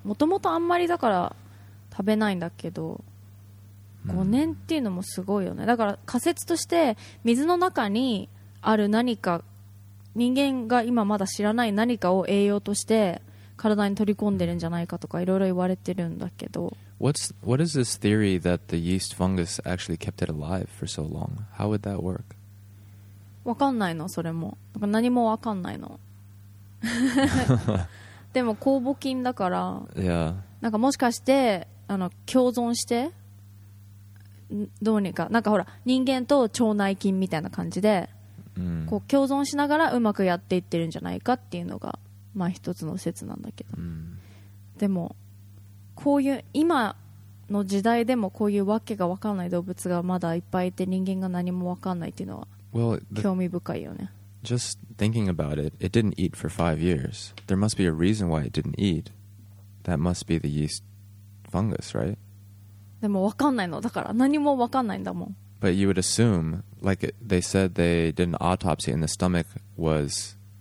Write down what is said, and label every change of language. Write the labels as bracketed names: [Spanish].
[Japanese] もともとあんまりだから食べないんだけど、5年っていうのもすごいよね。だから仮説として水の中にある何か、人間が今まだ知らない何かを栄養として体に取り込んでるんじゃないかとかいろいろ言われてるんだけど。 [English] What is this theory that the yeast fungus actually kept it alive for so long? How would that work? [Japanese] わかんないの、それも。だから何もわかんないの。でも酵母菌だから。 [English] Yeah. [Japanese] なんかもしかして共存して。どうにか、なんかほら人間と腸内菌みたいな感じで、こう共存しながらうまくやっていってるんじゃないかっていうのが、まあ一つの説なんだけど、でもこういう今の時代でもこういうわけが分かんない動物がまだいっぱいいて人間が何も分かんないっていうのは興味深いよね。 [English] Just thinking about it, it didn't eat for 5 years. There must be a reason why it didn't eat. That must be the yeast fungus, right? [Japanese] でも分かんないのだから何も分かんないんだもん。 [English] But you would assume, like they said they did an autopsy and the stomach was